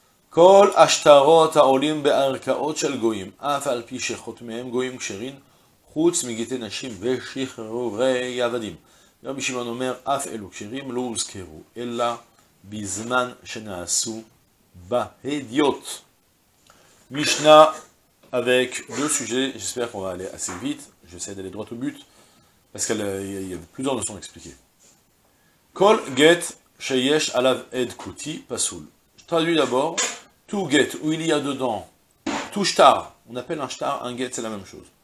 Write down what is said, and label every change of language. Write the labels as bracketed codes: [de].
[he] כל השטרות העולים בערכאות של גויים, אף על פי שחותמיהם גויים כשרים, חוץ מגיטי נשים ושחרורי עבדים. רבי שמעון אומר, אף אלו כשרים לא הוזכרו, אלא בזמן שנעשו בהדיות. [fr] משנה, avec deux sujets, j'espère qu'on va aller assez vite, j'essaie d'aller droit au but, parce qu'il y avait plusieurs leçons expliquées. [he] כל גט שיש עליו עד כותי פסול. [fr] Traduit d'abord, tout get, où il y a dedans, tout shtar, on appelle un shtar, un get, c'est la même chose.